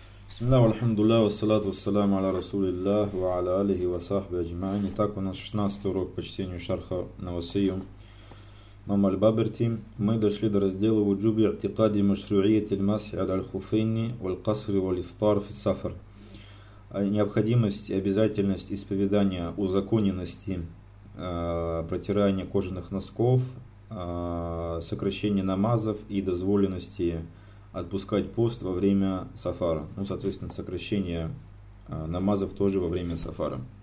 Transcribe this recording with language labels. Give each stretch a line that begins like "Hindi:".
Arabic: بسم الله والحمد لله والصلاة والسلام على رسول الله وعلى آله وصحبه أجمعين.
Russian: Итак, у нас 16 урок по чтению шарха Навасию Мам аль-Баберти. Мы дошли до раздела
Arabic: وجوب اعتقاد مشروعية المسح على الخفين والقصر والإفطار في السفر.
Russian: Необходимость и обязательность исповедания узаконенности протирания кожаных носков, сокращения намазов и дозволенности отпускать пост во время сафара. Ну, соответственно, сокращение намазов тоже во время сафара.